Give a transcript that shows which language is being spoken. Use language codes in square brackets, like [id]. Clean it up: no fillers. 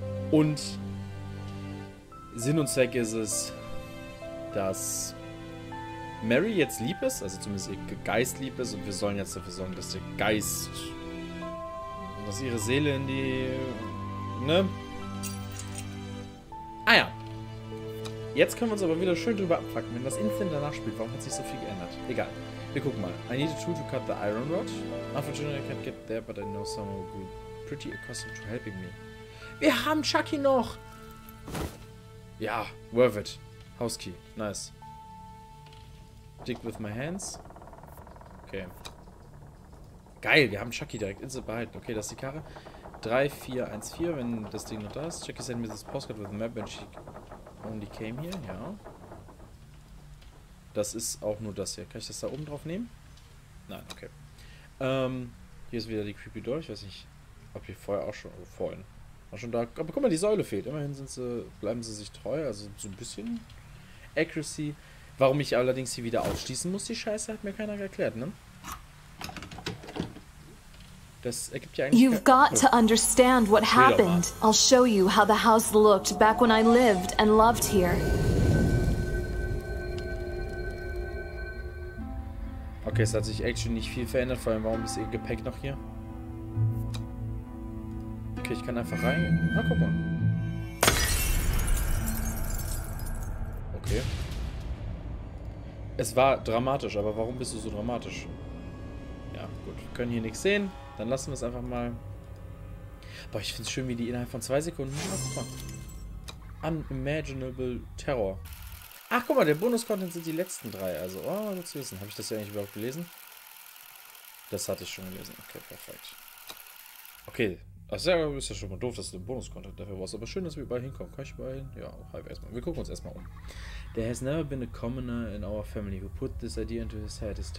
[de] Und Sinn und Zweck ist es, dass Mary jetzt lieb ist, also zumindest ihr Geist lieb ist, und wir sollen jetzt dafür sorgen, dass der Geist, dass ihre Seele in die, ne? Ah ja. Jetzt können wir uns aber wieder schön drüber abfacken, wenn das Instant danach spielt. Warum hat sich so viel geändert? Egal. Wir gucken mal. [en] I need a tool to cut the iron rod. Unfortunately, I can't get there, but I know someone will be pretty accustomed to helping me. [de] Wir haben Chucky noch! [en] Ja, worth it. House key. Nice. Stick with my hands. Okay. [de] Geil, wir haben Chucky direkt in der Behalten. Okay, das ist die Karre. 3414, wenn das Ding noch da ist. [en] Chucky sent me this postcard with a map when she only came here. [de] Ja. Das ist auch nur das hier. Kann ich das da oben drauf nehmen? Nein, okay. Hier ist wieder die Creepy Door. Ich weiß nicht, ob hier vorher auch schon. Vorhin. War schon da. Aber guck mal, die Säule fehlt. Immerhin sind sie, bleiben sie sich treu. Also so ein bisschen Accuracy. Warum ich allerdings hier wieder ausschließen muss, die Scheiße, hat mir keiner erklärt, ne? Das ergibt ja eigentlich. [en] You've got to understand what happened. I'll show you how the house looked back when I lived and loved here. [de] Okay, es hat sich actually nicht viel verändert, vor allem warum ist ihr Gepäck noch hier? Okay, ich kann einfach rein. Na, guck mal. Okay. Es war dramatisch, aber warum bist du so dramatisch? Ja, gut. Wir können hier nichts sehen. Dann lassen wir es einfach mal. Boah, ich finde es schön, wie die innerhalb von 2 Sekunden. Ach, guck mal. Unimaginable Terror. Ach, guck mal, der Bonus-Content sind die letzten 3. Also, oh, nichts wissen. Habe ich das ja eigentlich überhaupt gelesen? Das hatte ich schon gelesen. Okay, perfekt. Okay. Ach, ist ja schon mal doof, dass du den Bonus-Content dafür brauchst. Aber schön, dass wir überall hinkommen. Kann ich überall hin? Ja, halb erstmal. Wir gucken uns erstmal um. [en] There has never been a commoner in our family who put this idea into his head.